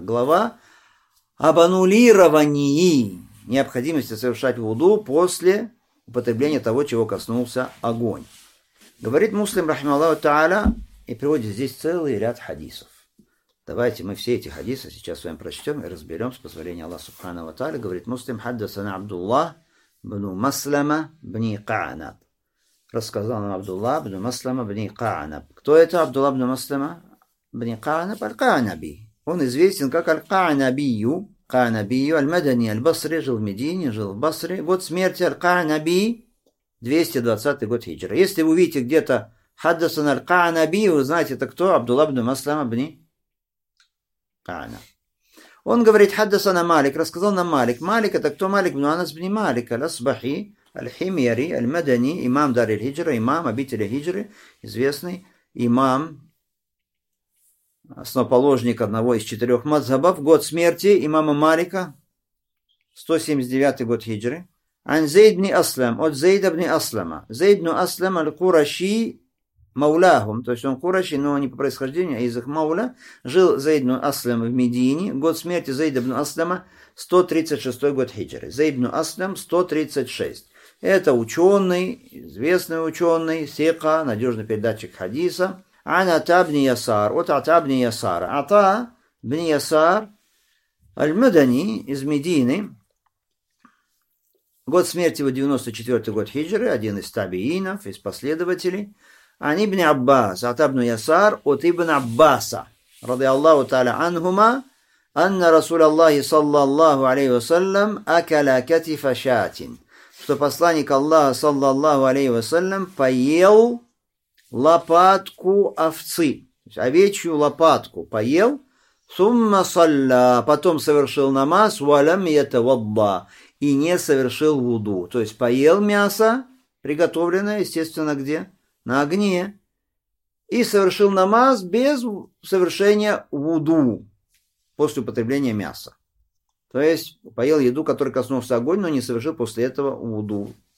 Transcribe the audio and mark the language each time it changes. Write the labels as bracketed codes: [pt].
[ru] Глава об аннулировании необходимости совершать вуду после употребления того, чего коснулся огонь. Говорит муслим рахмаллаху та'аля и приводит здесь целый ряд хадисов. Давайте мы все эти хадисы сейчас с вами прочтем и разберем с позволения Аллаха субханаху та'аля. Говорит муслим хаддасана Абдуллах بن مسلمة بن قعنب. Рассказал нам Абдуллах بن مسلمة بن قعنب. Кто это Абдуллах بن مسلمة بن قعنب القعنبي. Он известен как القعنبيو. قعنبيو المدني البصري. Жил в Медине, жил в Басре. Год смерти القعنبي 220 год хиджра. Если вы увидите где-то حدثنا القعنبي, вы знаете, это кто? Абдуллах بن مسلمة بن قعنب. Он говорит, хаддасана Малик, рассказал нам Малик. Малик это кто Малик? Ну, Анас бни Малик, аль-Асбахи, аль-Химьяри, аль-Мадани, имам Дар-Иль-Хиджра, имам обители Хиджры, известный имам, основоположник одного из четырех мазхабов, год смерти имама Малика, 179 год Хиджры. Ан-Зейд бни Аслам, от Зейда бни Аслама. Зейд бни Аслам аль-Кураши Мауляхум, то есть он Кураши, но не по происхождению, а из их Мауля. Жил Зейд ибн Аслам в Медине. Год смерти Зейд ибн Аслама 136 год хиджры. Зейд ибн Аслам 136. Это ученый, известный ученый, сека, надежный передатчик хадиса. Ан Ата бни Ясар. От Ата бни Ясар. Ата бни Ясар. Аль-Мадани из Медины. Год смерти его 94 год хиджры. Один из табиинов, из последователей. [ar] عن ابن عباس عطاء بن يسار وابن عباس رضي الله تعالى عنهما أن رسول الله صلى الله عليه وسلم أكل كتف شاة [ru] что посланник Аллаха صلى الله عليه وسلم поел лопатку овцы, овечью лопатку поел, [ar] ثم صلى, [ru] потом совершил намаз, [ar] ولم يتوضأ, [ru] и не совершил вуду. То есть поел мясо, приготовленное, естественно, где? На огне. И совершил намаз без совершения вуду после употребления мяса. То есть поел еду, которая коснулся огонь, но не совершил после этого вуду.